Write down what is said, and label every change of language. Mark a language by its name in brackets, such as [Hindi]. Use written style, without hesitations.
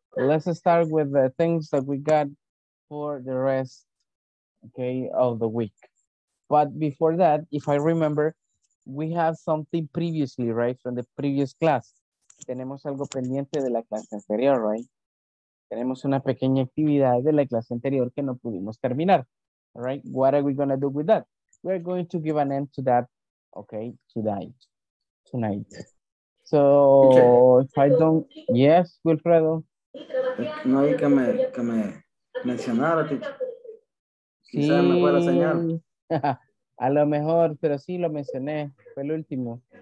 [English] Let's start with the things that we got for the rest, okay, of the week. But before that, if I remember, we have something previously, right, from the previous class. [Spanish] Tenemos algo pendiente de la clase anterior, right? Tenemos una pequeña actividad de la clase anterior que no pudimos terminar, right? [English] What are we going to do with that? We're going to give an end to that. Okay, tonight. So, if I don't, yes, Wilfredo. [Spanish] No hay que me mencionar a ti. Quizás sí. Me pueda enseñar. A lo mejor, pero sí lo mencioné. Fue el último.